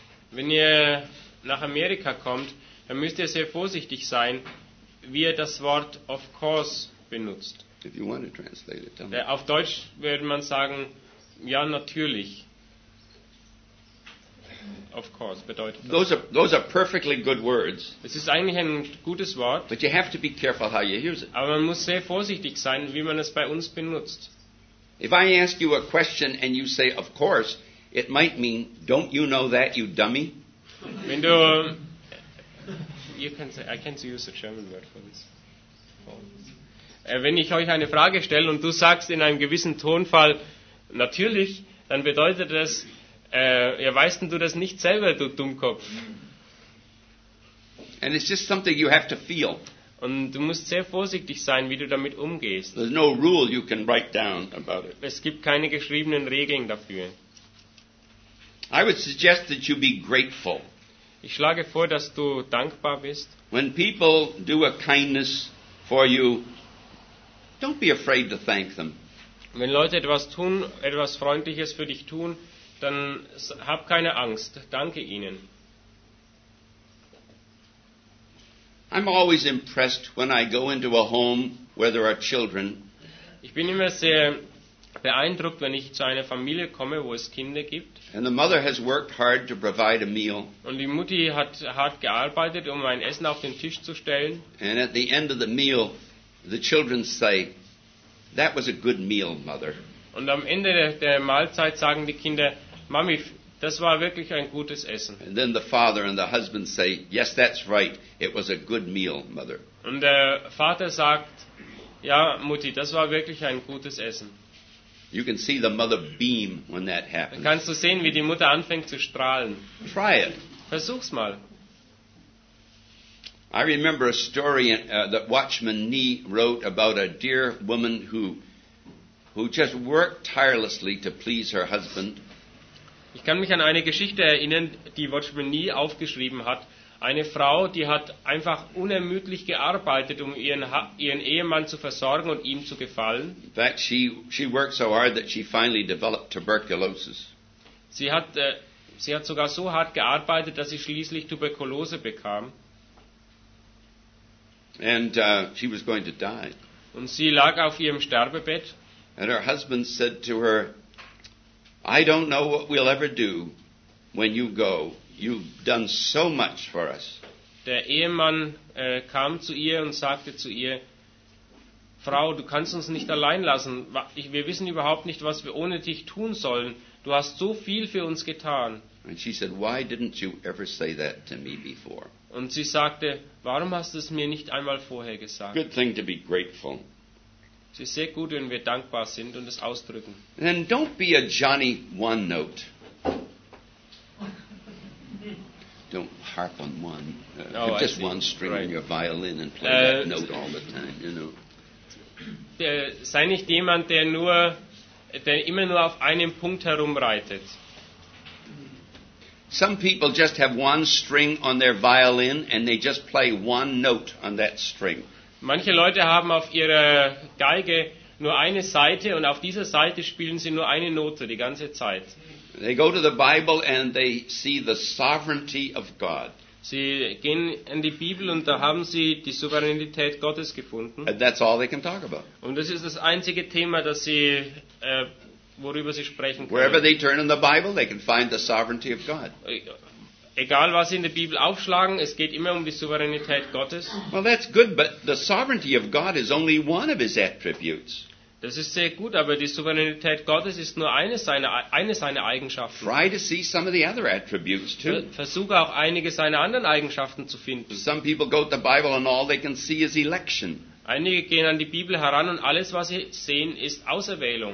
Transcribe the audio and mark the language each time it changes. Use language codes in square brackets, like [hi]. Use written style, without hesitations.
[de] Wenn ihr nach Amerika kommt, dann müsst ihr sehr vorsichtig sein, wie ihr das Wort "of course" benutzt. [en] If you want to translate it, tell me. [de] Auf Deutsch würde man sagen, ja, natürlich. [en] Of course [de] bedeutet das. [en] Those are perfectly good words. [de] Es ist eigentlich ein gutes Wort. [en] But you have to be careful how you use it. [de] Aber man muss sehr vorsichtig sein, wie man es bei uns benutzt. [en] If I ask you a question and you say "of course," it might mean, "Don't you know that, you dummy?" [de] Wenn du [en] you can say, I can't use a German word for this. [de] Wenn ich euch eine Frage stelle und du sagst in einem gewissen Tonfall "natürlich", dann bedeutet das, ja, weißt du das nicht selber, du Dummkopf. [en] And it's just something you have to feel. [de] Und du musst sehr vorsichtig sein, wie du damit umgehst. [en] There's no rule you can write down about it. [de] Es gibt keine geschriebenen Regeln dafür. [en] I would suggest that you be grateful. [de] Ich schlage vor, dass du dankbar bist. [en] When people do a kindness for you, don't be afraid to thank them. [de] Wenn Leute etwas tun, etwas Freundliches für dich tun, dann hab keine Angst. Danke ihnen. [en] I'm always impressed when I go into a home where there are children. [de] Ich bin immer sehr beeindruckt, wenn ich zu einer Familie komme, wo es Kinder gibt. [en] And the mother has worked hard to provide a meal. [de] Und die Mutti hat hart gearbeitet, um ein Essen auf den Tisch zu stellen. [en] And at the end of the meal, the children say, "That was a good meal, mother." [de] Und am Ende der Mahlzeit sagen die Kinder, "Mami, das war wirklich ein gutes Essen." [en] And then the father and the husband say, "Yes, that's right. It was a good meal, mother." [de] Und der Vater sagt, "Ja, Mutti, das war wirklich ein gutes Essen." [en] You can see the mother beam when that happens. [de] Dann kannst du sehen, wie die Mutter anfängt zu strahlen. [en] Try it. [de] Versuch's mal. [en] I remember a story that Watchman Nee wrote about a dear woman who just worked tirelessly to please her husband. [de] Ich kann mich an eine Geschichte erinnern, die Watchman Nee aufgeschrieben hat. Eine Frau, die hat einfach unermüdlich gearbeitet, um ihren Ehemann zu versorgen und ihm zu gefallen. [en] In fact, she worked so hard that she finally developed tuberculosis. [de] Sie hat sogar so hart gearbeitet, dass sie schließlich Tuberkulose bekam. [en] And she was going to die. [de] Und sie lag auf ihrem Sterbebett. [en] And her husband said to her, "I don't know what we'll ever do when you go. You've done so much for us." [de] Der Ehemann kam zu ihr und sagte zu ihr, Frau, du kannst uns nicht allein lassen. Wir wissen überhaupt nicht, was wir ohne dich tun sollen. Du hast so viel für uns getan. [en] And she said, why didn't you ever say that to me before? [de] Und sie sagte, warum hast du es mir nicht einmal vorher gesagt? [en] Good thing to be grateful. [de] Es ist sehr gut, wenn wir dankbar sind und es ausdrücken. [en] And don't be a Johnny One Note. Don't harp on one. No, just see. One string right. In your violin and play that note all the time, you know. [de] Sei nicht jemand, der immer nur auf einem Punkt herumreitet. [en] Some people just have one string on their violin and they just play one note on that string. [de] Manche Leute haben auf ihrer Geige nur eine Seite und auf dieser Seite spielen sie nur eine Note die ganze Zeit. [en] They go to the Bible and they see the sovereignty of God. [de] Sie gehen in die Bibel und da haben sie die Souveränität Gottes gefunden. [en] And that's all they can talk about. [de] Und das ist das einzige Thema, das sie worüber sie sprechen können. [en] Wherever they turn in the Bible, they can find the sovereignty of God. [de] Egal was sie in der Bibel aufschlagen, es geht immer um die Souveränität Gottes. [en] Well, that's good, but the sovereignty of God is only one of his attributes. [de] Das ist sehr gut, aber die Souveränität Gottes ist nur eine seiner Eigenschaften. [en] Try to see some of the other attributes too. [de] Versuche auch einige seiner anderen Eigenschaften zu finden. [en] Some people go to the Bible and all they can see is election. [de] Einige gehen an die Bibel heran und alles, was sie sehen, ist Auserwählung.